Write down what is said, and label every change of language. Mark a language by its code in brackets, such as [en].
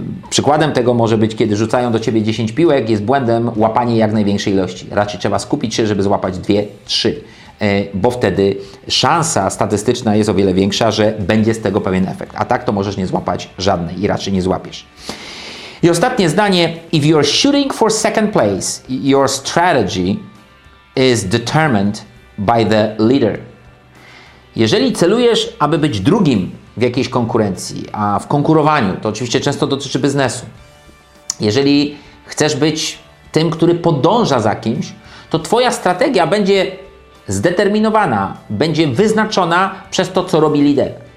[pl] Przykładem tego może być, kiedy rzucają do Ciebie 10 piłek, jest błędem łapanie jak największej ilości. Raczej trzeba skupić się, żeby złapać 2-3, bo wtedy szansa statystyczna jest o wiele większa, że będzie z tego pewien efekt. A tak to możesz nie złapać żadnej i raczej nie złapiesz. I ostatnie zdanie. [en] If you're shooting for second place, your strategy is determined by the leader. [pl] Jeżeli celujesz, aby być drugim w jakiejś konkurencji, a w konkurowaniu, to oczywiście często dotyczy biznesu. Jeżeli chcesz być tym, który podąża za kimś, to Twoja strategia będzie zdeterminowana, będzie wyznaczona przez to, co robi lider.